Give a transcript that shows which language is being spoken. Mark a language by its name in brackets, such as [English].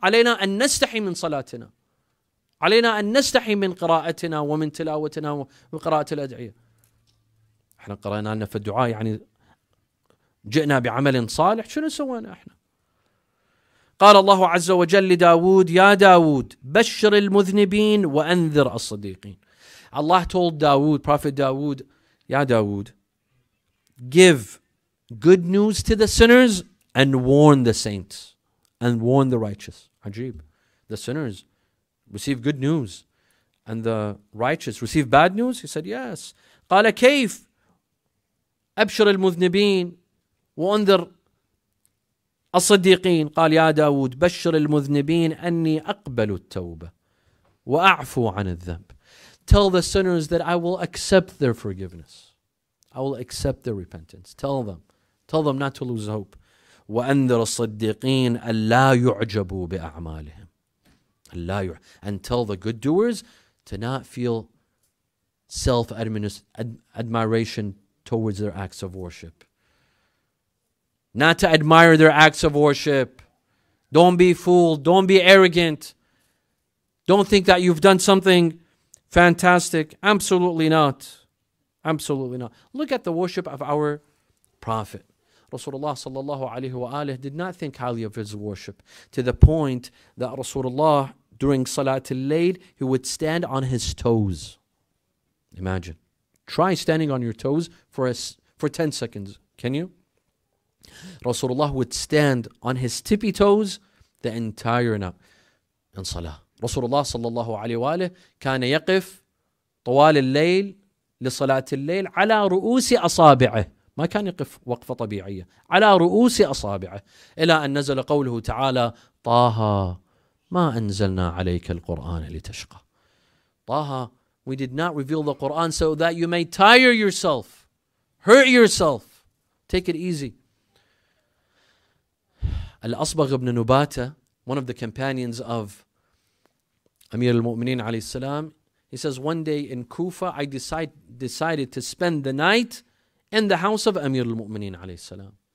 [Arabic] علينا أن نستحي من صلاتنا علينا أن نستحي من قراءتنا ومن تلاوتنا وقراءة الأدعية. احنا قرأنا لنا في الدعاء يعني جئنا بعمل صالح شنو سوينا احنا. قال الله عز وجل لداود يا داود بشر المذنبين وأنذر الصديقين. [English] الله told داود prophet داود [Arabic] يا داود [English] give good news to the sinners and warn the saints and warn the righteous. [Arabic] عجيب. [English] The sinners receive good news and the righteous receive bad news. He said yes. [Arabic] قال كيف أبشر المذنبين وأنذر الصديقين. قال يا داود بشر المذنبين أني أقبل التوبة وأعفو عن الذنب. [English] Tell the sinners that I will accept their forgiveness. I will accept their repentance. Tell them not to lose hope. [Arabic] وأنذر الصديقين ألا يعجبوا بأعمالهم. [English] And tell the good doers to not feel self-admiration towards their acts of worship. Not to admire their acts of worship. Don't be fooled. Don't be arrogant. Don't think that you've done something fantastic. Absolutely not. Absolutely not. Look at the worship of our Prophet. Rasulullah sallallahu alayhi wa alayhi did not think highly of his worship to the point that Rasulullah, during Salat al-Layl, he would stand on his toes. Imagine. Try standing on your toes for 10 seconds. Can you? Rasulullah would stand on his tippy toes the entire night in salah. [Arabic] Rasulullah sallallahu alayhi wa alayhi كان يقف طوال الليل لصلاة الليل على رؤوس أصابعه. ما كان يقف وقفة طبيعية على رؤوس أصابعه إلى أن نزل قوله تعالى طه ما أنزلنا عليك القرآن لتشقى. [English] طه, we did not reveal the Quran so that you may tire yourself, hurt yourself, take it easy. Al-Asbagh ibn Nubata, one of the companions of Amir al-Mu'mineen alayhi salam, he says, one day in Kufa, I decided to spend the night in the house of Amir al-Mu'mineen alayhi salam.